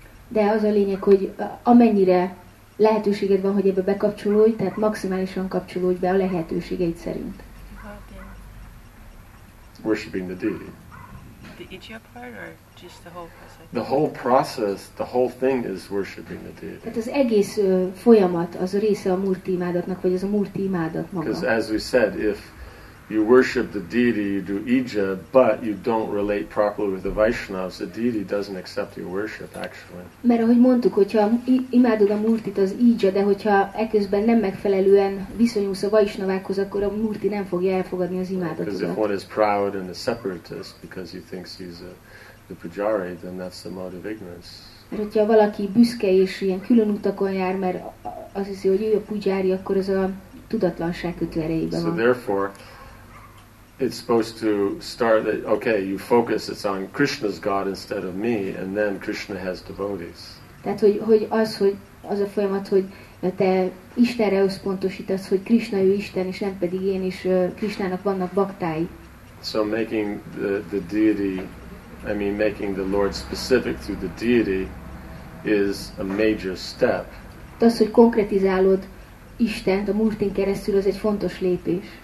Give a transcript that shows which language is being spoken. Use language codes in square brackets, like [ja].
[hu] De az a lényeg, hogy amennyire lehetőséged van, hogy ebbe bekapcsolódj, tehát maximálisan kapcsolódj be a lehetőségeid szerint. [en] Worshipping the deity. The ijja part or just the whole process? The whole process, the whole thing is worshipping the deity. [hu] Tehát az egész folyamat, az a része a murti imádatnak, vagy az a murti imádat maga. [en] Because as we said, if you worship the deity, you do ijja, but you don't relate properly with the Vaishnavas, the deity doesn't accept your worship, actually. [hu] Mert ahogy mondtuk, hogyha imádod a murtit, az ijja, de hogyha eközben nem megfelelően viszonyulsz a Vaishnavákhoz, akkor a murti nem fogja elfogadni az imádatodat. [en] Because if one is proud and a separatist because he thinks he's the pujari, then that's the mode of ignorance. [hu] Mert hogyha valaki büszke és ilyen külön utakon jár, mert azt hiszi, hogy ő a pujari, akkor ez a tudatlanság kötőerejében van. [en] So therefore, it's supposed to start that, okay, you focus, it's on Krishna's God instead of me, and then Krishna has devotees. [hu] Tehát, hogy az a folyamat, hogy te Istenre összpontosítasz, hogy Krishna ő Isten, és nem pedig én, és Krishnának vannak baktái. [en] So making the deity, I mean making the Lord specific through the deity is a major step. [hu] Az, hogy konkretizálod Istent a múltin keresztül, az egy fontos lépés.